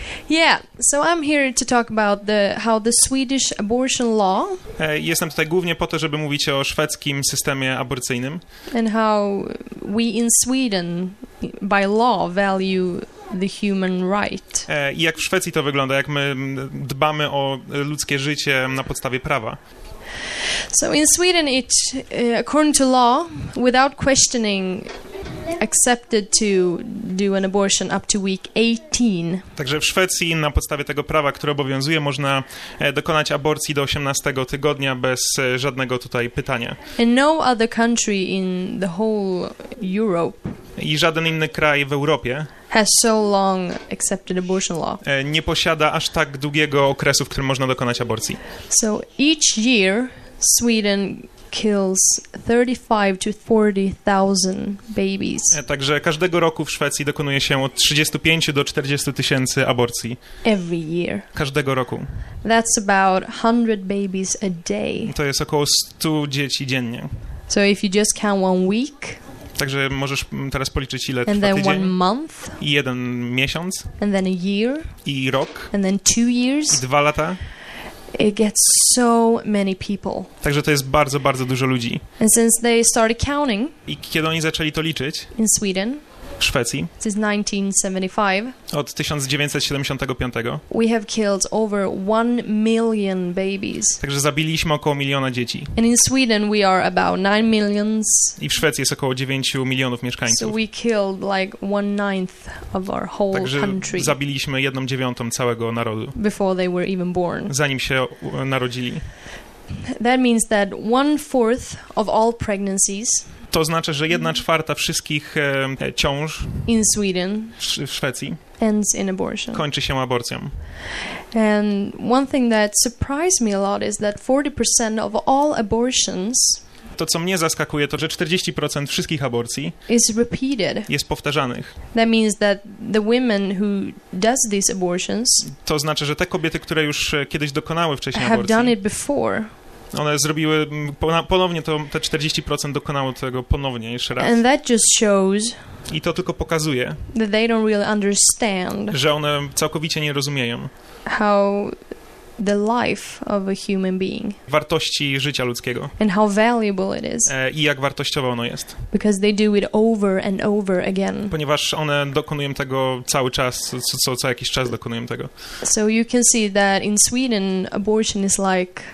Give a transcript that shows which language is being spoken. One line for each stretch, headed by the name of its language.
English: Yeah, so I'm here to talk about how the Swedish abortion law.
Polish: Jestem tutaj głównie po to, żeby mówić o szwedzkim systemie aborcyjnym.
English: And how we in Sweden by law value the human right.
Polish: I jak w Szwecji to wygląda, jak my dbamy o ludzkie życie na podstawie prawa.
English: So in Sweden it according to law without questioning accepted to do an abortion up to week 18.
Polish: Także w Szwecji na podstawie tego prawa, które obowiązuje, można dokonać aborcji do 18 tygodnia bez żadnego tutaj pytania.
English: And no other country in the whole Europe.
Polish: I żaden inny kraj w Europie
English: has so long accepted abortion law.
Polish: Nie posiada aż tak długiego okresu, w którym można dokonać aborcji.
English: So each year Sweden kills 35,000 to 40,000 babies.
Polish: Także każdego roku w Szwecji dokonuje się od 35 do 40 tysięcy aborcji.
English: Every year.
Polish: Każdego roku.
English: That's about 100 babies a day.
Polish: To jest około 100 dzieci dziennie.
English: So if you just count one week.
Polish: Także możesz teraz policzyć ile
English: and
Polish: trwa
English: then
Polish: tydzień.
English: One month.
Polish: I jeden miesiąc.
English: And then a year.
Polish: I rok.
English: And then 2 years.
Polish: I 2 lata.
English: It gets so many people.
Polish: Także to jest bardzo, bardzo dużo ludzi.
English: And since they started counting,
Polish: i kiedy oni zaczęli to liczyć
English: in Sweden,
Polish: w Szwecji
English: since 1975,
Polish: od 1975
English: we have killed over 1 million babies.
Polish: Także zabiliśmy około miliona dzieci.
English: And in Sweden we are about 9 millions.
Polish: I w Szwecji jest około 9 milionów mieszkańców.
English: So we killed like 1/9 of our whole
Polish: także
English: country.
Polish: Zabiliśmy 1/9 całego narodu.
English: Before they were even born.
Polish: Zanim się narodzili.
English: That means that 1/4 of all pregnancies.
Polish: To oznacza, że 1/4 wszystkich ciąż
English: in Sweden
Polish: w Szwecji
English: ends in abortion.
Polish: Kończy się aborcją.
English: And one thing that surprised me a lot is that 40% of all abortions.
Polish: To, co mnie zaskakuje, to, że 40% wszystkich aborcji
English: is repeated.
Polish: Jest powtarzanych.
English: That means that the women who does these abortions.
Polish: To znaczy, że te kobiety, które już kiedyś dokonały wcześniej
English: have
Polish: aborcji,
English: done it before.
Polish: One zrobiły ponownie to, te 40% dokonało tego ponownie jeszcze raz.
English: And that just shows,
Polish: i to tylko pokazuje,
English: that they don't really understand,
Polish: że one całkowicie nie rozumieją,
English: how the life of a human being.
Polish: Wartości życia ludzkiego.
English: And how valuable it is.
Polish: I jak wartościowe ono jest.
English: Because they do it over and over again.
Polish: Ponieważ one dokonują tego cały czas, co jakiś czas dokonują tego.
English: So you can see that in Sweden abortion is like.